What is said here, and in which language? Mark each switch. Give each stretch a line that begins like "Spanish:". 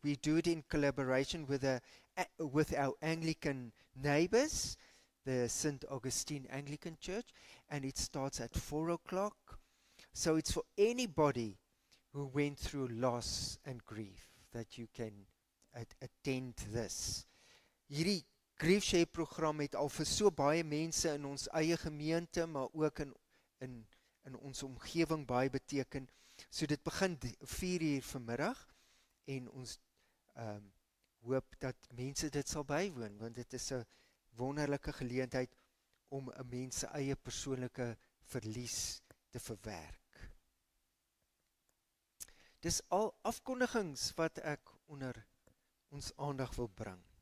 English: We do it in collaboration with our Anglican neighbors, the St. Augustine Anglican Church, and it starts at 4 o'clock. So it's for anybody who went through loss and grief that you can attend this.
Afrikaans: Hierdie grief share program het al vir so baie mense in ons eie gemeente, maar ook in ons omgewing baie beteken. So dit begin 4:00 vanmiddag en ons hoop dat mense dit sal bywoon, want dit is 'n wonderlike geleentheid om 'n mens se eie persoonlike verlies te verwerk. Dis al afkondigings wat ek onder ons aandag wil bring.